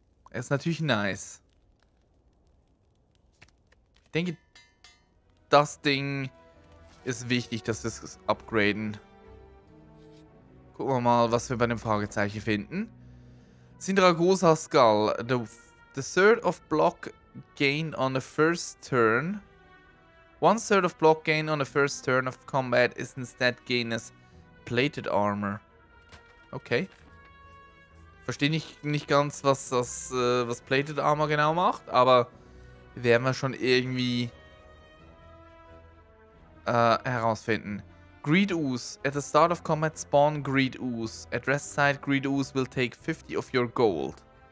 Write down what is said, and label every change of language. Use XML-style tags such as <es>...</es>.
<de>Ist natürlich nice. Ich denke, das Ding ist wichtig, dass wir es upgraden. Gucken wir mal, was wir bei dem Fragezeichen finden.</de> <en>Syndragosa Skull. The third of block gained on the first turn. One third of block gained on the first turn of combat is instead gained as plated armor. Okay.</en> <de>Verstehe nicht ganz, was das was plated armor genau macht, aber werden wir schon irgendwie herausfinden.</de> <en>Greed Ooze. At the start of combat, spawn Greed Ooze. At rest side, Greed Ooze will take 50 of your gold.</en>